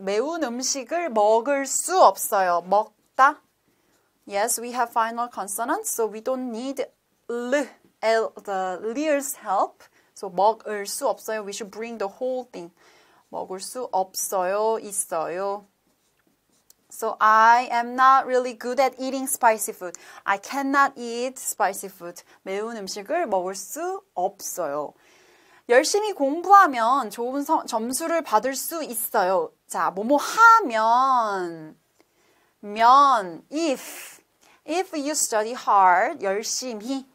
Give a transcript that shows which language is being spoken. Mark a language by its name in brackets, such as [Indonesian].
[Korean] 매운 음식을 먹을 수 없어요. 먹다. [English] Yes, we have final consonants, so we don't need the liers help. [Korean] So 먹을 수 없어요. [English] We should bring the whole thing. [Korean] 먹을 수 없어요. 있어요. [English] So I am not really good at eating spicy food. I cannot eat spicy food. [Korean] 매운 음식을 먹을 수 없어요. 열심히 공부하면 좋은 점수를 받을 수 있어요. 자, 뭐뭐 하면, 면, [English] if you study hard, [Korean] 열심히.